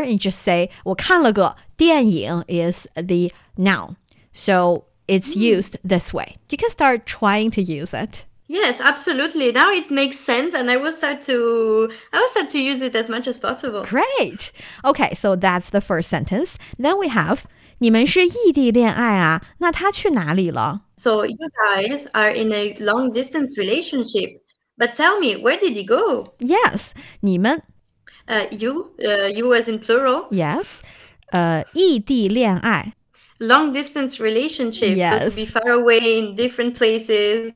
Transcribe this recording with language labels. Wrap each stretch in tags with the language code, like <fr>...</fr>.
<en>You just say,</en> <zh>我看了个电影</zh> <en>is the noun. So it's used this way. You can start trying to use it. Yes, absolutely. Now it makes sense and I will start to use it as much as possible. Great. Okay, so that's the first sentence. Then we have</en> <zh>你们是异地恋爱啊，那他去哪里了？</zh> <en>So you guys are in a long distance relationship, but tell me, where did he go?</en> <zh>Yes, 你们。</zh> <en>You was in plural.</en> <zh>Yes, 异地恋爱。</zh> <en>Long distance relationship. Yes. So to be far away in different places.</en>